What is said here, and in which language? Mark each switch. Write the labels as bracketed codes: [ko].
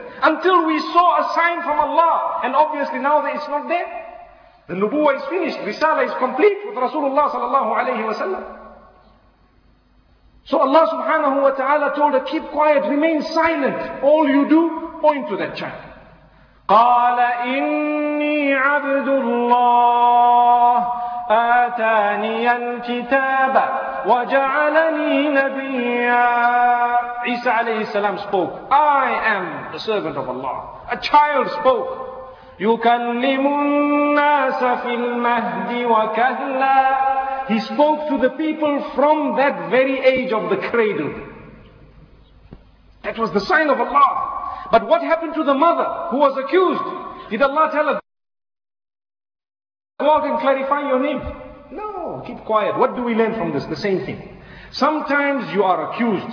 [en] Until we saw a sign from Allah. And obviously now that it's not there. The nubuwwah is finished. Risala is complete with Rasulullah sallallahu alayhi wa sallam. So Allah subhanahu wa ta'ala told her, keep quiet, remain silent. All you do, point to that child. [ar] قال إني عبد الله آتاني الكتاب وجعلني نبيا. [en] عيسى عليه السلام spoke, I am the servant of Allah. A child spoke. [ar] يكلم الناس في المهد وكهلا. [en] He spoke to the people from that very age of the cradle. That was the sign of Allah. But what happened to the mother who was accused? Did Allah tell her, go out and clarify your name? No, keep quiet. What do we learn from this? The same thing. Sometimes you are accused.